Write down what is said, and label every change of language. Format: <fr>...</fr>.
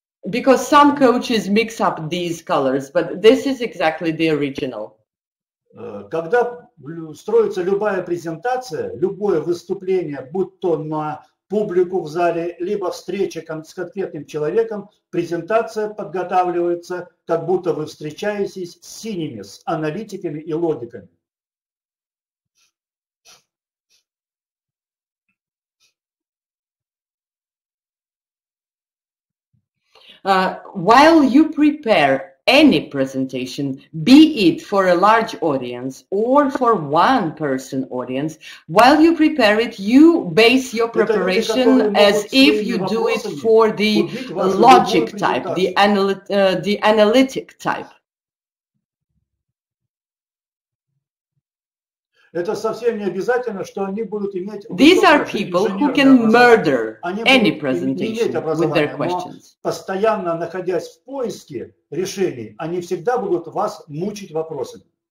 <en>Because some coaches mix up these colors, but this is exactly the original.</en> <ru>Когда строится любая презентация, любое выступление, будь то на публику в зале, либо встреча с конкретным человеком, презентация подготавливается, как будто вы встречаетесь с синими, с аналитиками и логиками.</ru> <en>While you prepare any presentation, be it for a large audience or for one person audience, while you prepare it, you base your preparation as if you do it for the logic type, the analytic type. These are people who can murder any presentation with their questions.</en> <ru>Постоянно находясь в поиске решений, они всегда будут вас мучить вопросами.</ru>